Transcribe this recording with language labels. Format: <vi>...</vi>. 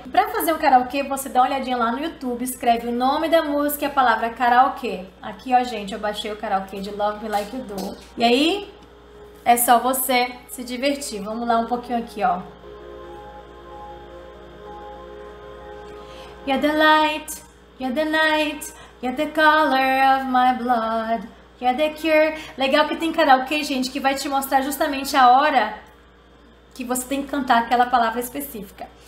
<pt>Para fazer um karaokê, você dá uma olhadinha lá no YouTube, escreve o nome da música e a palavra karaokê. Aqui, ó, gente, eu baixei o karaokê de Love Me Like You Do. E aí, é só você se divertir. Vamos lá um pouquinho aqui, ó.</pt> <en>You're the light. You're the night, you're the color of my blood, you're the cure.</en> <pt>Legal que tem karaokê, gente, que vai te mostrar justamente a hora que você tem que cantar aquela palavra específica.</pt>